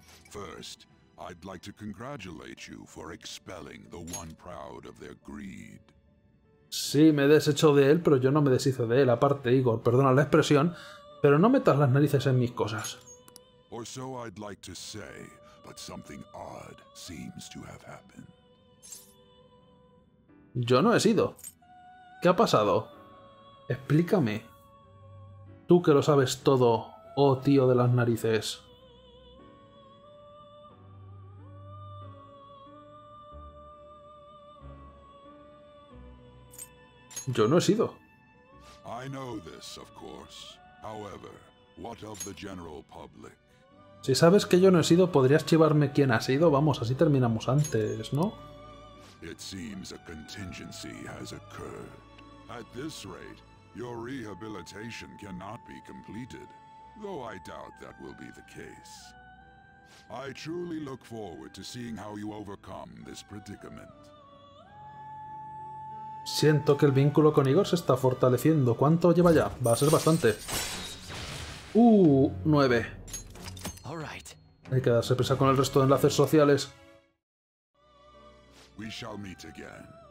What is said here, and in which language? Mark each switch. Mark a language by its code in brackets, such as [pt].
[en] First, I'd like to congratulate you for expelling the one proud of their greed. [es] Sí, me deshecho de él, pero yo no me deshizo de él. Aparte, Igor, perdona la expresión, pero no metas las narices en mis cosas. [en] Or so I'd like to say, but something odd seems to have happened. [es] Yo no he sido. ¿Qué ha pasado? Explícame. Tú que lo sabes todo, oh tío de las narices. Yo no he sido. [en] I know this, of course. However, what of the general public? [es] Si sabes que yo no he sido, podrías chivarme quién ha sido. Vamos, así terminamos antes, ¿no? [en] It seems a contingency has occurred. At this rate, your rehabilitation cannot be completed, though I doubt that will be the case. I truly look forward to seeing how you overcome this predicament. [es] Siento que el vínculo con Igor se está fortaleciendo. ¿Cuánto lleva ya? Va a ser bastante. 9. Hay que darse prisa con el resto de enlaces sociales. [en] We shall meet again.